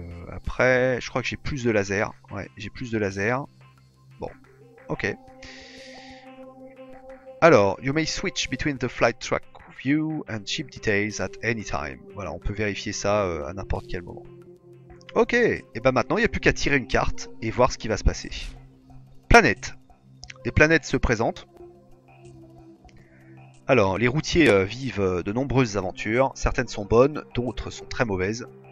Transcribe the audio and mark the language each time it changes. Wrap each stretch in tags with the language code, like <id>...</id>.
<fr>Après, je crois que j'ai plus de laser. Ouais, j'ai plus de laser. Ok.</fr> <en>Alors, you may switch between the flight track view and ship details at any time.</en> <fr>Voilà, on peut vérifier ça à n'importe quel moment. Ok, et ben maintenant il n'y a plus qu'à tirer une carte et voir ce qui va se passer. Planète. Des planètes se présentent. Alors, les routiers vivent de nombreuses aventures. Certaines sont bonnes, d'autres sont très mauvaises.</fr>